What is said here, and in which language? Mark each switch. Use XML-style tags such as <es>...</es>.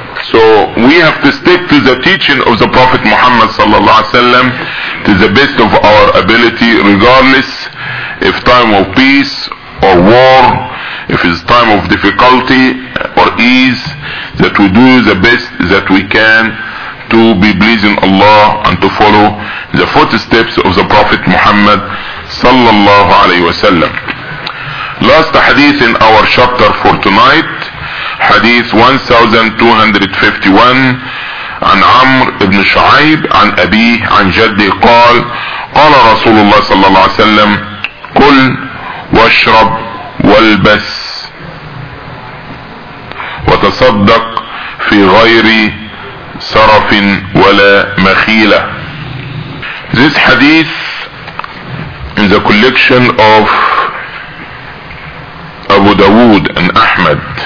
<en>So we have to stick to the teaching of the Prophet Muhammad sallallahu alaihi wasallam to the best of our ability, regardless if time of peace or war, if it's time of difficulty or ease, that we do the best that we can to be pleasing Allah and to follow the footsteps of the Prophet Muhammad sallallahu alaihi wasallam. Last hadith in our chapter for tonight,</en> <ar>حديث 1251 عن عمر بن شعيب عن أبيه عن جده قال قال رسول الله صلى الله عليه وسلم كل واشرب والبس وتصدق في غير سرف ولا مخيلة.</ar> <en>This hadith in the collection of Abu Dawood and Ahmad.</en>